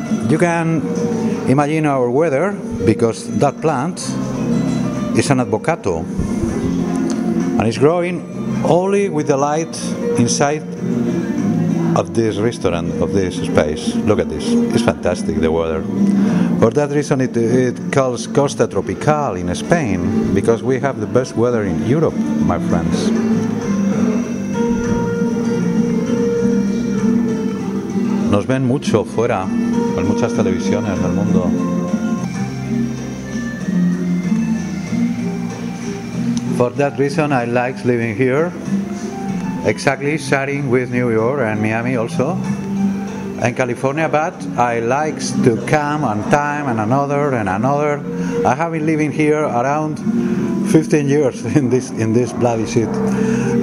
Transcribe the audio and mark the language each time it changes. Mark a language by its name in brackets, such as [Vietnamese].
[English] You can imagine our weather, because that plant is an avocado and it's growing only with the light inside of this restaurant, of this space. Look at this, it's fantastic, the weather. For that reason it calls Costa Tropical in Spain, because we have the best weather in Europe, my friends. [Spanish] Nos ven mucho fuera, en muchas televisiones del mundo. [English] For that reason, I like living here, exactly sharing with New York and Miami also, and California, but I like to come on time and another. I have been living here around 15 years in this bloody city.